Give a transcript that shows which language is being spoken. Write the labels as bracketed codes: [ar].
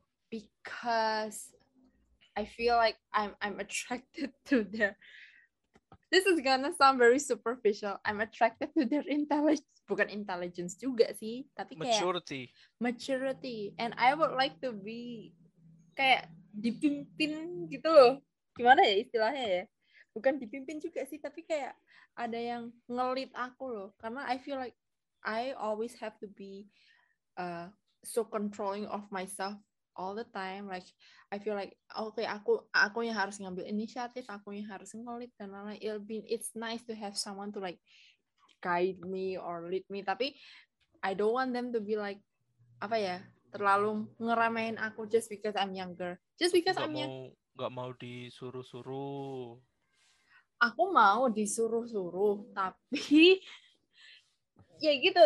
[en] Because I feel like I'm attracted to their. This is gonna sound very superficial. I'm attracted to their intelligence, [id] bukan intelligence juga sih, tapi [en] maturity. Maturity, and I would like to be [id] kayak dipimpin gitu loh. Gimana ya istilahnya ya? Bukan dipimpin juga sih, tapi kayak ada yang ngelit aku loh. Karena [en] I feel like I always have to be so controlling of myself all the time, like I feel like okay, [id] aku yang harus ngambil inisiatif, aku yang harus ngelit, dan lain-lain. [en] It's nice to have someone to like guide me or lead me, [id] tapi [en] I don't want them to be like [id] apa ya, terlalu ngeramein aku [en] just because I'm younger, just because [id] gak [en] I'm young. [id] Gak mau disuruh-suruh. Aku mau disuruh-suruh, tapi ya gitu.